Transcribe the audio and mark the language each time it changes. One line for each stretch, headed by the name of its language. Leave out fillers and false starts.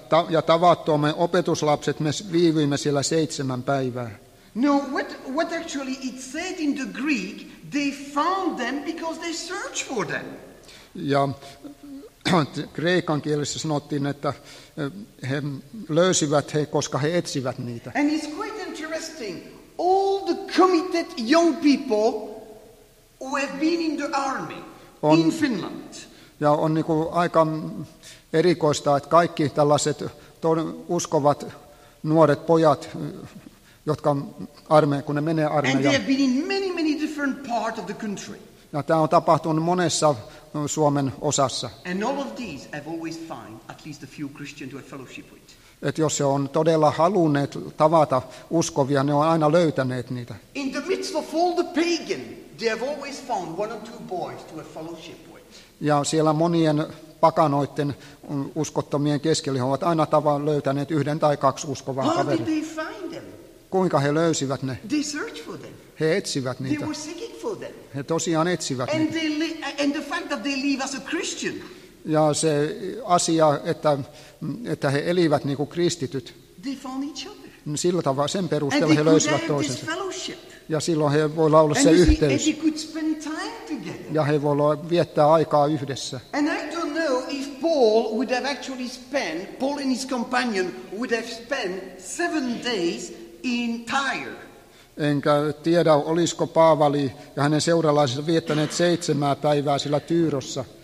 Finnish: Ja tavattuamme opetuslapset, me viivyimme siellä 7 päivää.
English: No, what actually it said in the Greek, they found them because they searched for them.
Finnish: Ja kreikan kielessä sanottiin, että he löysivät he, koska he etsivät niitä.
English: And it's quite interesting, all the committed young people who have been in the army in Finland.
Finnish: Ja on niinku aika erikoista, että kaikki tällaiset uskovat nuoret pojat, jotka armeijan, kun ne menee armeijaan.
English: And they have been in many, many different parts of the country.
Finnish: Ja tämä on tapahtunut monessa Suomen osassa.
English: And all of these have always found at least a few Christians to have fellowship with.
Finnish: Että jos he on todella halunneet tavata uskovia, ne on aina löytäneet niitä.
English: In the midst of all the pagan, they have always found one or two boys to have fellowship with.
Finnish: Ja siellä monien pakanoiden uskottomien keskellä. He ovat aina tavan löytäneet yhden tai kaksi uskovaa kaveria. Kuinka he löysivät ne?
English: They search for them.
Finnish: He etsivät niitä.
English: They were seeking for them.
Finnish: He tosiaan etsivät
English: and
Finnish: niitä.
English: And the fact that they live as a Christian.
Finnish: Ja se asia, että he elivät niin kuin kristityt.
English: They found each other.
Finnish: Sillä tavalla, sen perusteella
English: and
Finnish: he löysivät toisensa.
English: Fellowship.
Finnish: Ja silloin he voi olla
English: and
Finnish: se yhteys.
English: He could spend time together.
Finnish: Ja he voi viettää aikaa yhdessä.
English: And I don't know if Paul would have actually spent, Paul and his companion would have spent 7 days in Tyre.
Finnish: Enkä tiedä, olisiko Paavali ja hänen seuralaisensa viettäneet 7 päivää sillä Tyyrossa.